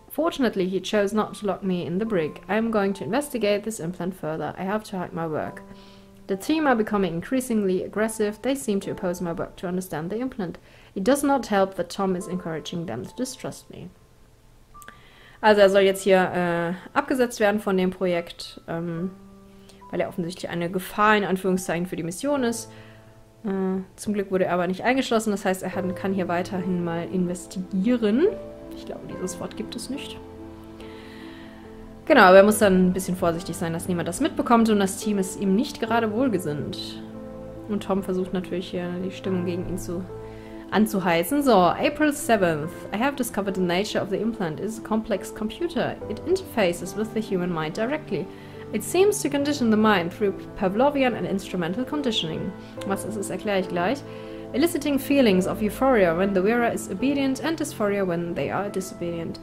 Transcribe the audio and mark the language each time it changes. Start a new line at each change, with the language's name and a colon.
English: Fortunately, he chose not to lock me in the brig. I am going to investigate this implant further. I have to hide my work. The team are becoming increasingly aggressive. They seem to oppose my work to understand the implant. It does not help that Tom is encouraging them to distrust me.
German: Also er soll jetzt hier abgesetzt werden von dem Projekt, weil er offensichtlich eine Gefahr in Anführungszeichen für die Mission ist. Zum Glück wurde er aber nicht eingeschlossen, das heißt, er kann hier weiterhin mal investigieren. Ich glaube, dieses Wort gibt es nicht. Genau, aber er muss dann ein bisschen vorsichtig sein, dass niemand das mitbekommt und das Team ist ihm nicht gerade wohlgesinnt. Und Tom versucht natürlich hier die Stimmung gegen ihn anzuheizen.
English: So, April 7th. I have discovered the nature of the implant. It is a complex computer. It interfaces with the human mind directly. It seems to condition the mind through Pavlovian and instrumental conditioning.
German: Was ist es, erkläre ich gleich.
English: Eliciting feelings of euphoria when the wearer is obedient and dysphoria when they are disobedient.